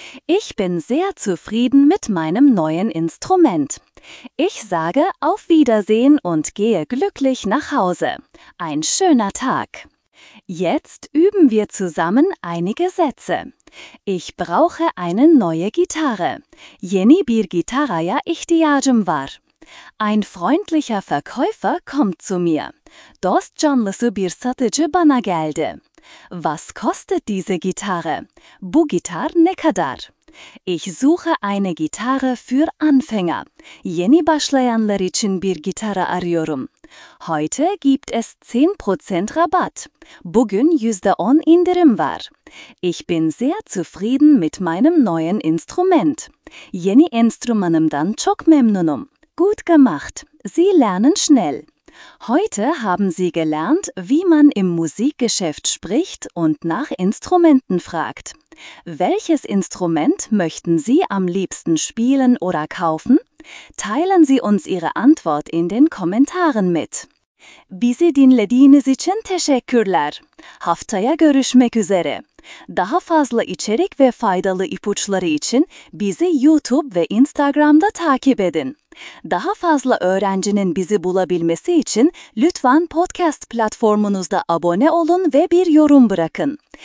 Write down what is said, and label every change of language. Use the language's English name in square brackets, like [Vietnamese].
[German] Ich bin sehr zufrieden mit meinem neuen Instrument. Ich sage auf Wiedersehen und gehe glücklich nach Hause. Ein schöner Tag. Jetzt üben wir zusammen einige Sätze. Ich brauche eine neue Gitarre. [Turkish] Yeni bir gitaraya ihtiyacım var. [German] Ein freundlicher Verkäufer kommt zu mir. [Turkish] Dost canlısı bir satıcı bana geldi. [German] Was kostet diese Gitarre? [Turkish] Bu gitar ne kadar? [German] Ich suche eine Gitarre für Anfänger. [Turkish] Yeni başlayanlar için bir gitara arıyorum. [German] Heute gibt es 10% Rabatt. [Turkish] Bugün %10 indirim var. [German] Ich bin sehr zufrieden mit meinem neuen Instrument. [Turkish] Yeni enstrümanımdan çok memnunum. [German] Gut gemacht. Sie lernen schnell. Heute haben Sie gelernt, wie man im Musikgeschäft spricht und nach Instrumenten fragt. Welches Instrument möchten Sie am liebsten spielen oder kaufen? Teilen Sie uns Ihre Antwort in den Kommentaren mit. [Turkish] Bizi dinlediğiniz için teşekkürler. Haftaya görüşmek üzere. Daha fazla içerik ve faydalı ipuçları için bizi YouTube ve Instagram'da takip edin. Daha fazla öğrencinin bizi bulabilmesi için lütfen podcast platformunuzda abone olun ve bir yorum bırakın.